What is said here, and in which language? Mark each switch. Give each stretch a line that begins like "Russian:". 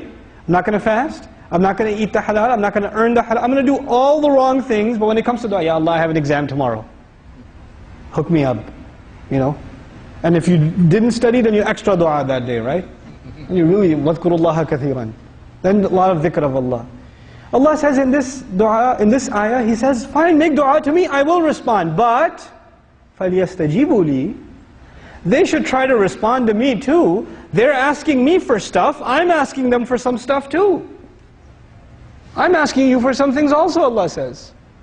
English: I'm not going to fast. I'm not going to eat the halal, I'm not going to earn the halal, I'm going to do all the wrong things, but when it comes to dua, Ya Allah, I have an exam tomorrow. Hook me up. You know? And if you didn't study, then you extra dua that day, right? And you really,
Arabic: وَذْكُرُ اللَّهَ كَثِيرًا.
English: Then a lot of dhikr of Allah. Allah says in this dua, in this ayah, He says, fine, make dua to me, I will respond. But,
Arabic: فَلْيَسْتَجِيبُوا لِي.
English: They should try to respond to me too. They're asking me for stuff, I'm asking them for some stuff too. I'm asking you for some things also, Allah says.